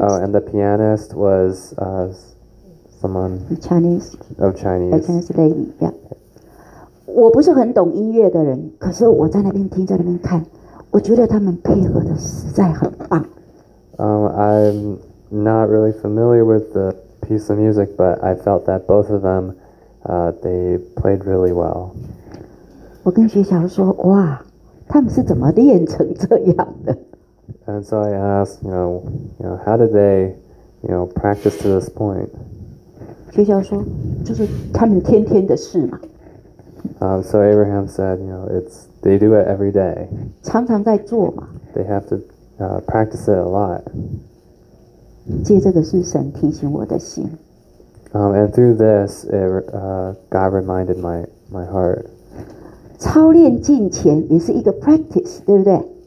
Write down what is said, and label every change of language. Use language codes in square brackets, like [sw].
[en] Oh, and the pianist was someone Chinese lady. Yeah. [zh] 我不是很懂音乐的人，可是我在那边听，在那边看，我觉得他们配合的实在很棒。 [en] I'm not really familiar with the piece of music, but I felt that both of them, they played really well. [zh] 我跟学校说，哇，他们是怎么练成这样的 [en] ？And so I asked, you know, how did they, you know, practice to this point? [zh] 学校说，就是他们天天的事嘛。 [en] So Abraham said, you know, they do it every day. [zh] 常常在做嘛。 [en] They have to practice it a lot. [zh] 借这个是神提醒我的心。 [en] And through this, God reminded my heart. [zh] 操练进前也是一个 practice, 对不对？